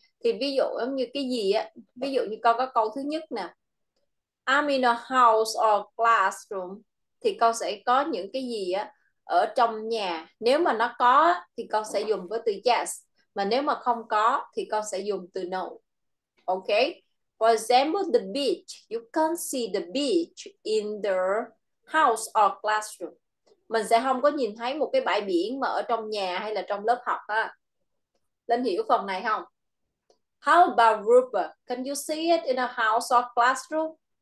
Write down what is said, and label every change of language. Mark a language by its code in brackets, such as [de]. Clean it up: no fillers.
[vi] Thì ví dụ giống như cái gì á? Ví dụ như con có câu thứ nhất nè. [en] I'm in a house or classroom. [vi] Thì con sẽ có những cái gì á ở trong nhà. Nếu mà nó có thì con sẽ dùng với từ yes. Mà nếu mà không có thì con sẽ dùng từ no. [en] Okay. For example, the beach. You can't see the beach in the house or classroom. [vi] Mình sẽ không có nhìn thấy một cái bãi biển mà ở trong nhà hay là trong lớp học ha. Linh hiểu phần này không? [en] How about river? Can you see it in a house or classroom?